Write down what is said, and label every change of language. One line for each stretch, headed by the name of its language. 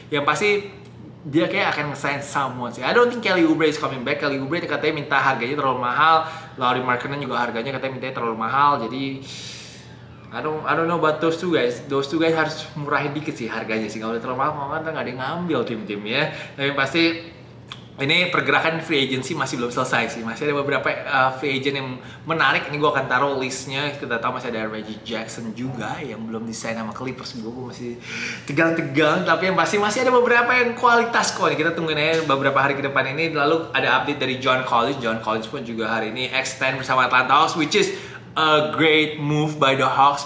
Indonesian: Yang pasti dia kayak akan nge-sign someone sih.
English: I don't think Kelly Oubre is coming back.
Indonesian: Kelly Oubre katanya minta harganya terlalu mahal. Lauri Markkanen juga harganya katanya minta terlalu mahal.
English: Jadi I don't know about those two guys. Those two guys
Indonesian: harus murahin dikit sih harganya sih. Kalau udah terlalu mahal, maka nggak ada yang ngambil tim-tim ya. Tapi pasti ini pergerakan free agency masih belum selesai sih. Masih ada beberapa free agent yang menarik. Ini gue akan taruh listnya. Kita tahu masih ada Reggie Jackson juga yang belum disign sama Clippers. Gue masih tegang-tegang. Tapi yang pasti masih ada beberapa yang kualitas kok. Ini kita tungguin aja beberapa hari ke depan ini. Lalu ada update dari John Collins. John Collins pun juga hari ini extend bersama Atlanta Hawks.
English: Which is a great move by the Hawks.